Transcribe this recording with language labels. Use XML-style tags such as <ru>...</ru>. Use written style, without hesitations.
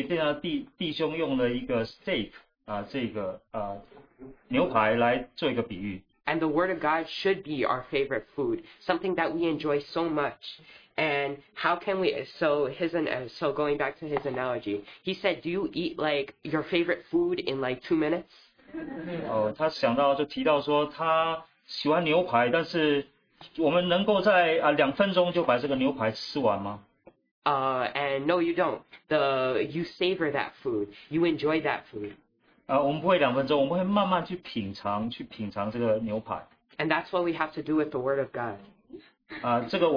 <zh>这一点在我们生活里面很重要。所以弟兄用了一个 steak, 这个牛排来做一个比喻。</zh> <en>And the Word of God should be our favorite food, something that we enjoy so much. And how can we, so going back to his analogy, he said, do you eat like your favorite food in like 2 minutes?</en> <zh>他想到就提到说他喜欢牛排，但是我们能够在2分钟就把这个牛排吃完吗？</zh> <en>And no, you don't. You savor that food. You enjoy that food.</en> <zh>我们不会2分钟，我们会慢慢去品尝这个牛排。</zh> <en>And that's what we have to do with the Word of God.</en>